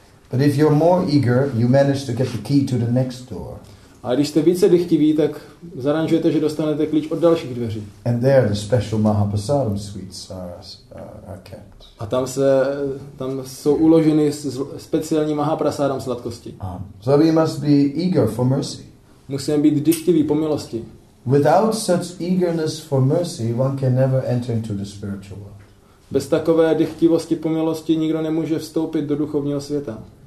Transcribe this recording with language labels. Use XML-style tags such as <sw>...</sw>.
<en>But if you're more eager, you manage to get the key to the next door.</en> <cs>A když jste více dychtiví, tak zaranžujete, že dostanete klíč od dalších dveří.</cs> <en>And there the special Mahaprasadam sweets are kept.</en> <cs>A tam jsou uloženy speciální Mahaprasadam sladkosti.</cs> <en>So we must be eager for mercy.</en> <cs>Musíme být dychtiví po milosti.</cs> <en>Without such eagerness for mercy, one can never enter into the spiritual world.</en> <cs>Bez takové dychtivosti po milosti nikdo nemůže vstoupit do duchovního světa.</cs>